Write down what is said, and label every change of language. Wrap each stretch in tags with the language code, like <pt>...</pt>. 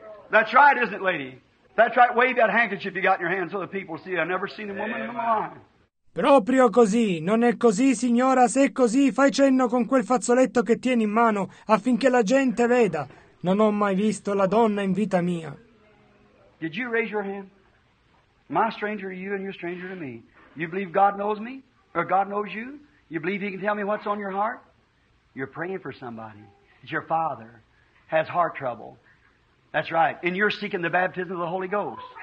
<en>That's right, isn't it, lady? That's right. Wave that handkerchief you got in your hand so the people see. I've never seen a woman in my life.</en> <it>Proprio così. Non è così, signora. Se è così, fai cenno con quel fazzoletto che tieni in mano affinché la gente veda. Non ho mai visto la donna in vita mia.</it> <en>Did you raise your hand? My stranger to you and your stranger to me. You believe God knows me? Or God knows you? You believe He can tell me what's on your heart? You're praying for somebody. It's your father has heart trouble. That's right. And you're seeking the baptism of the Holy Ghost.</en>